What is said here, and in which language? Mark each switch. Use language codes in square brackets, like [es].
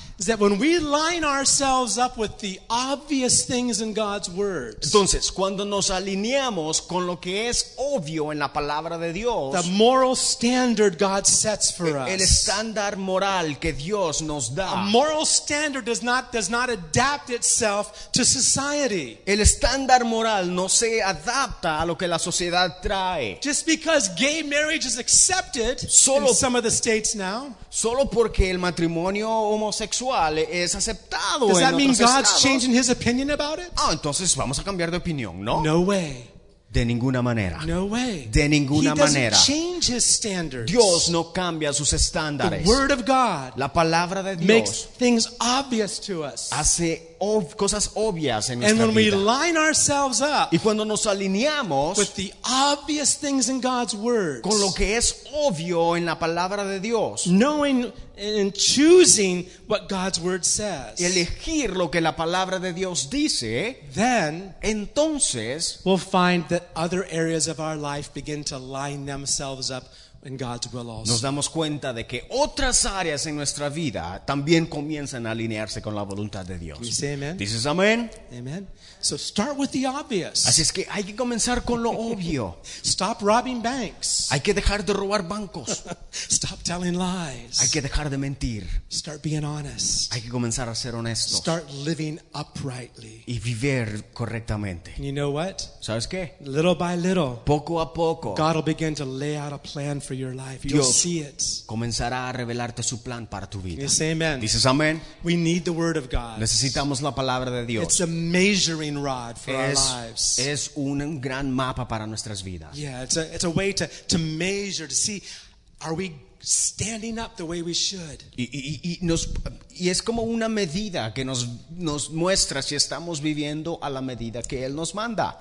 [en] Is that when we line ourselves up with the obvious things in God's word? [es] Entonces, cuando nos alineamos con lo que es obvio en la palabra de Dios, [en] the moral standard God sets for us, [es] el estándar moral que Dios nos da, [en] a moral standard does not adapt itself to society. [es] El estándar moral no se adapta a lo que la sociedad trae. [en] Just because gay marriage is accepted in some of the states now, [es] solo porque el matrimonio homosexual es aceptado en otros estados. [en] Does that mean God's changing his opinion about it? [es] Ah, entonces vamos a cambiar de opinión, ¿no? [en] No way. [es] De ninguna manera. [en] No way. [es] De ninguna manera. [en] He doesn't change his standards. [es] Dios no cambia sus estándares. [en] The word of God, [es] la palabra de Dios, [en] makes things obvious to us. [es] Hace cosas obvias en [en] and when [es] vida. [en] We line ourselves up, [es] y cuando nos alineamos [en] with the obvious things in God's word, [es] con lo que es obvio en la palabra de Dios, [en] knowing and choosing what God's word says, [es] elegir lo que la palabra de Dios dice, [en] then [es] entonces [en] we'll find that other areas of our life begin to line themselves up in God's will also. [es] Nos damos cuenta de que otras áreas en nuestra vida también comienzan a alinearse con la voluntad de Dios. [en] Can we say amen? [es] Dices amén. [en] Amen. So start with the obvious. [es] Así es que hay que comenzar con lo obvio. [en] Stop robbing banks. [es] Hay que dejar de robar bancos. [en] Stop telling lies. [es] Hay que dejar de mentir. [en] Start being honest. [es] Hay que comenzar a ser honestos. [en] Start living uprightly. [es] Y vivir correctamente. [en] And you know what? [es] ¿Sabes qué? [en] Little by little. [es] Poco a poco. [en] God will begin to lay out a plan for your life. You'll [es] Dios [en] see it. [es] Comenzará a revelarte su plan para tu vida. [en] You say amen. [es] Dices amén. [en] We need the word of God. [es] Necesitamos la palabra de Dios. [en] It's a measure rod for our lives. [es] Es un gran mapa para nuestras vidas. [en] Yeah, it's a way to measure, to see, are we standing up the way we should? [es] Y es como una medida que nos muestra si estamos viviendo a la medida que Él nos manda.